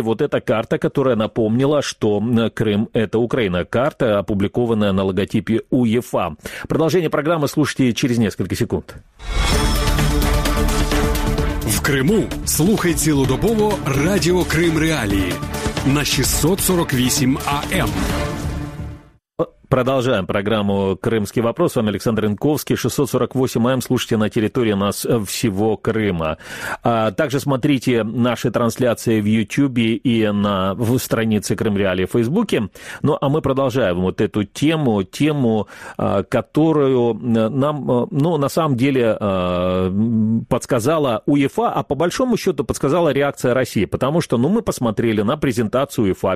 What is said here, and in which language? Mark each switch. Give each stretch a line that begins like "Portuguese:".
Russian: Вот эта карта, которая напомнила, что Крым – это Украина. Карта, опубликованная на логотипе УЕФА. Продолжение программы слушайте через несколько секунд.
Ukrainian: В Криму слухайте цілодобово Радіо Крим Реалії на 648 АМ.
Russian: Продолжаем программу «Крымский вопрос». С вами Александр Янковский. 648 АМ. Слушайте на территории нас всего Крыма. Также смотрите наши трансляции в YouTube и на странице «Крым Реалии» в Фейсбуке. Ну, а мы продолжаем вот эту тему, тему, которую нам, ну, на самом деле подсказала УЕФА, а по большому счету подсказала реакция России, потому что, ну, мы посмотрели на презентацию УЕФА.